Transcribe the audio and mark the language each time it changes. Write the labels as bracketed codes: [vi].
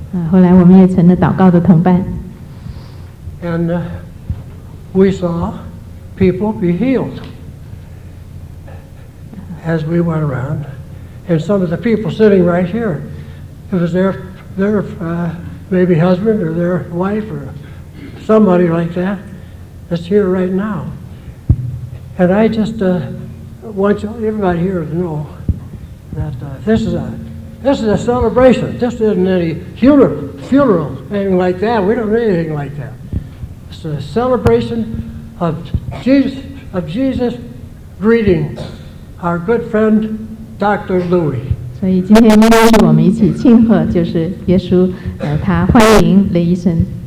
[zh] 后来我们也成了祷告的同伴。 [en] And we saw people be healed as we went around. And some of the people sitting right here, it was their maybe husband or their wife or somebody like that that's here right now. And I just want everybody here to know that this is a celebration. This isn't any funeral, anything like that. We don't need anything like that. It's a celebration of Jesus greeting our good friend Dr. Louis. [zh] 所以今天应该是我们一起庆贺，就是耶稣，他欢迎雷医生。